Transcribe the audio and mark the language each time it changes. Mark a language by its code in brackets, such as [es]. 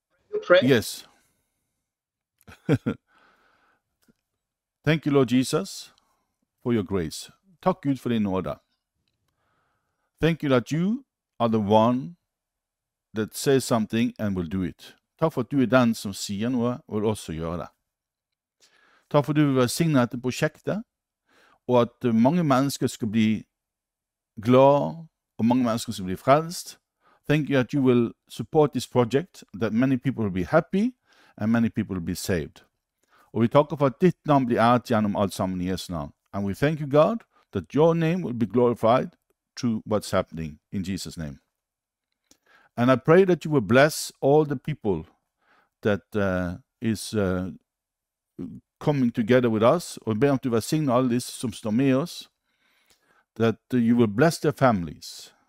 [en] you pray? Yes. Thank you, Lord Jesus, for your grace. [no] Takk Gud for din nåde. [en] Thank you that you are the one that says something and will do it. [no] Takk for at du er den som sier noe, og vil også gjøre det. Takk for at du vil signe dette prosjektet, og at mange mennesker skal bli glad, og mange mennesker skal bli frelst. [en] Thank you that you will support this project, that many people will be happy, and many people will be saved. [no] Og vi takker for at ditt navn blir æret gjennom alt sammen I Jesu navn. [en] And we thank you, God, that your name will be glorified through what's happening in Jesus' name. And I pray that you will bless all the people that is coming together with us. [no] Og ber om du vil signe alle disse som står med oss. [en] That you will bless their families.